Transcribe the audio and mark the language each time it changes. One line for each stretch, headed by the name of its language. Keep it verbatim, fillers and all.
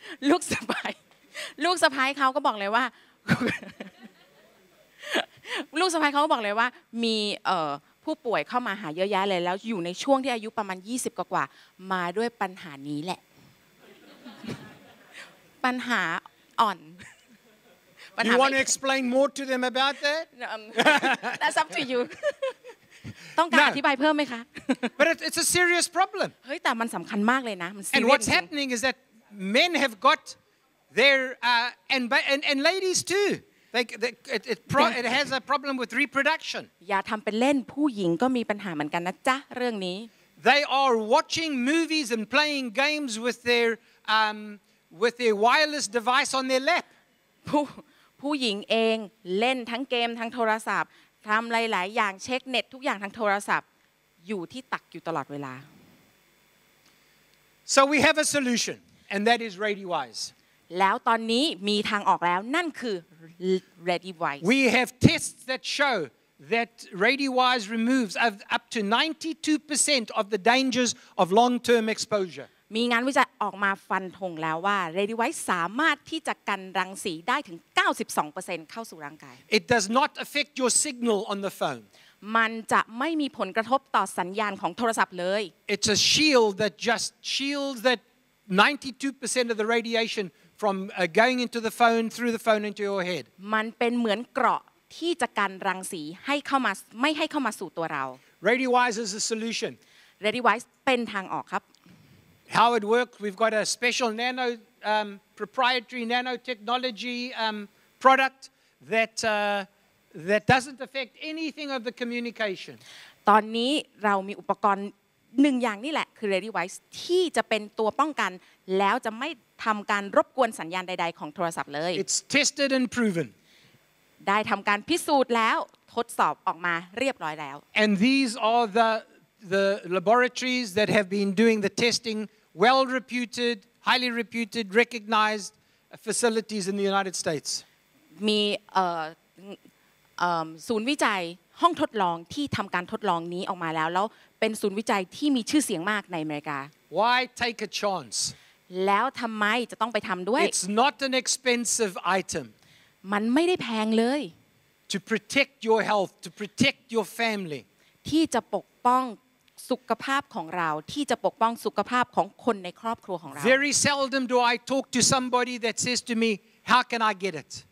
Thai: ลูกสะใภ้ลูกสะใภ้เขาก็บอกเลยว่าลูกสะใภ้เขาก็บอกเลยว่ามีเอ่อผู้ป่วยเข้ามาหาเยอะแยะเลยแล้วอยู่ในช่วงที่อายุประมาณยี่สิบกว่าๆมาด้วยปัญหานี้แหละปัญหาอ่อน
English: You want to explain more to them about that? That's up to you
Thai: ต้องการอธิบายเพิ่มไหมคะ
English: But it's a serious problem.
Thai: เฮ้ยแต่มันสำคัญมากเลยนะมัน
English: And what's happening is that men have got their uh, and, and and ladies too. They, they it it, pro, it has a problem with reproduction.
Thai: อย่าทำเป็นเล่นผู้หญิงก็มีปัญหาเหมือนกันนะจ๊ะเรื่องนี้
English: They are watching movies and playing games with their um with a wireless device on their lap
Thai: ผู้ผู้หญิงเองเล่นทั้งเกมทั้งโทรศัพท์ทำหลายๆอย่างเช็คเน็ตทุกอย่างทั้งโทรศัพท์อยู่ที่ตักอยู่ตลอดเวลา
English: So we have a solution and that is RadyWise
Thai: แล้วตอนนี้มีทางออกแล้วนั่นคือ RadyWise
English: We have tests that show that RadyWise removes up to ninety-two percent of the dangers of long-term exposure
Thai: มีงานวิจัยออกมาฟันธงแล้วว่า RadyWise สามารถที่จะกันรังสีได้ถึง เก้าสิบสองเปอร์เซ็นต์ เข้าสู่ร่างกาย
English: It does not affect your signal on the phone
Thai: มันจะไม่มีผลกระทบต่อสัญญาณของโทรศัพท์เลย
English: It's a shield that just shields that ninety-two percent of the radiation from uh, going into the phone through the phone into your head
Thai: มันเป็นเหมือนเกราะที่จะกันรังสีให้เข้ามาไม่ให้เข้ามาสู่ตัวเรา
English: RadyWise is a solution
Thai: RadyWise เป็นทางออกครับ
English: how it works. We've got a special nano, um, proprietary nanotechnology um, product that uh, that doesn't affect anything of the communication.
Thai: ตอนนี้เรามีอุปกรณ์หนึ่งอย่างนี่แหละคือ ReadyWise ที่จะเป็นตัวป้องกันแล้วจะไม่ทำการรบกวนสัญญาณใดๆของโทรศัพท์เลย
English: It's tested and proven.
Thai: ได้ทำการพิสูจน์แล้วทดสอบออกมาเรียบร้อยแล้ว
English: And these are the the laboratories that have been doing the testing, well reputed, highly reputed, recognized facilities in the United States.
Thai: มีเอ่อเอ่อศูนย์วิจัยห้องทดลองที่ทำการทดลองนี้ออกมาแล้วแล้วเป็นศูนย์วิจัยที่มีชื่อเสียงมากในอเมริกา
English: Why take a chance?
Thai: แล้วทำไมจะต้องไปทำด้วย
English: It's not an expensive item.
Thai: มันไม่ได้แพงเลย
English: To protect your health, to protect your family.
Thai: ที่จะปกป้องสุขภาพของเราที่จะปกป้องสุขภาพของคนในครอบครัวของเรา
English: Very seldom do I talk to somebody that says to me, "How can I get it?"